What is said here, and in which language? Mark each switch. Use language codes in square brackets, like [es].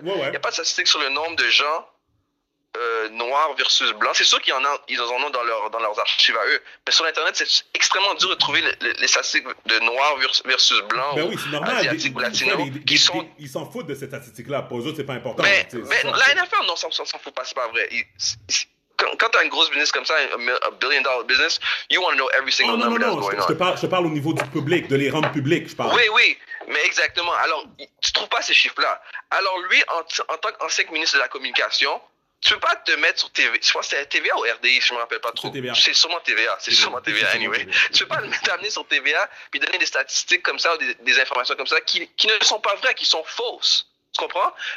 [fr] Il n'y a pas de statistiques sur le nombre de gens noirs versus blancs. C'est sûr qu'il y en a, ils en ont dans leurs archives à eux, mais sur Internet, c'est extrêmement dur de trouver les statistiques de noirs versus blancs, ben oui, c'est normal, asiatiques ou latinos. Ils s'en foutent de ces statistiques-là, pour eux autres, ce n'est pas important. Mais la NFL, non, ça s'en fout pas, ce n'est pas vrai. Quand tu as un gros business comme ça, un billion dollar business, [en] you want to know every single number that's going on. [fr] Je te parle au niveau du public, de les rendre publics, je parle. Oui, oui, mais exactement. Alors, tu trouves pas ces chiffres-là. Alors, lui, en tant qu'ancien ministre de la Communication, tu peux pas te mettre sur TV. Je pense que c'est TVA ou RDI, je me rappelle pas trop. C'est sûrement TVA, anyway. Tu peux pas t'amener sur TVA puis donner des statistiques comme ça ou des informations comme ça qui ne sont pas vraies, qui sont fausses. Tu comprends?